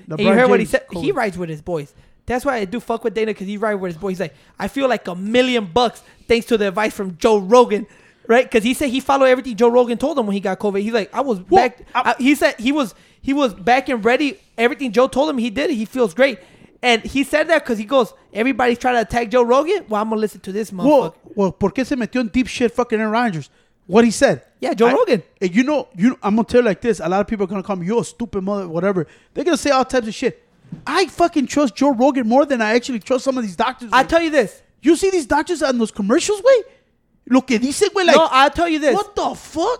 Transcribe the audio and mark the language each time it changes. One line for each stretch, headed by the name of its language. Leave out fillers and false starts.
English: And you heard James, what he said. COVID. He rides with his boys. That's why I do fuck with Dana, because he's right where his boy. He's like, I feel like $1 million thanks to the advice from Joe Rogan, right? Because he said he followed everything Joe Rogan told him when he got COVID. He's like, I was back. He said he was back and ready. Everything Joe told him, he did it. He feels great. And he said that because he goes, everybody's trying to attack Joe Rogan. Well, I'm going to listen to this motherfucker.
Spanish: Well, ¿por qué se metió en
English: deep shit fucking
Spanish: Aaron Rodgers?
English: What he said. Yeah, Joe Rogan. You know, I'm going to tell you like this. A lot of people are going to call me, you're a stupid mother, whatever. They're going to say all types of shit. I fucking trust Joe Rogan more than I actually trust some of these doctors. I'll tell you this. You see these doctors on those commercials, güey?
Spanish: Lo que dice, güey, like...
English: No, I'll tell you this. What the fuck?